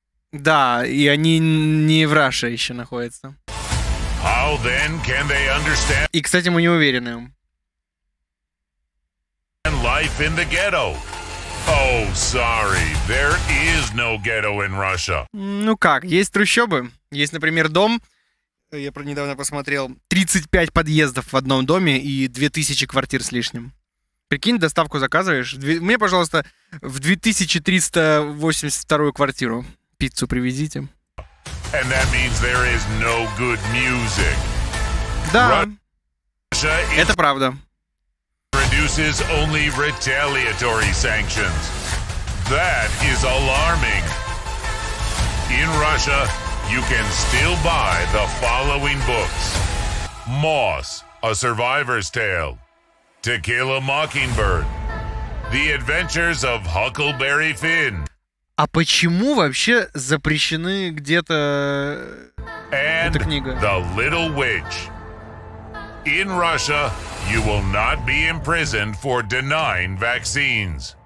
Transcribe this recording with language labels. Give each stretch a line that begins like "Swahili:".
Russian: Да, и они не в Russia еще находятся.
English: How then can they understand?
Russian: И, кстати, мы не уверены.
English: Life in the ghetto. Oh, sorry, there is no ghetto in Russia.
Russian: Ну как, есть трущобы. Есть, например, дом. Я недавно посмотрел. 35 подъездов в одном доме и 2000 квартир с лишним. Прикинь, доставку заказываешь. Мне, пожалуйста, в 2382 квартиру. Пиццу привезите.
English: And that means there is no good music.
Russian: Да,
English: Russia is...
Russian: это правда.
English: Produces only retaliatory sanctions. That is alarming. In Russia, you can still buy the following books: Moss, A Survivor's Tale, To Kill a Mockingbird, The Adventures of Huckleberry Finn.
Russian: А почему вообще запрещены где-то эта книга?
English: The Little Witch. In Russia, you will not be imprisoned for denying vaccines.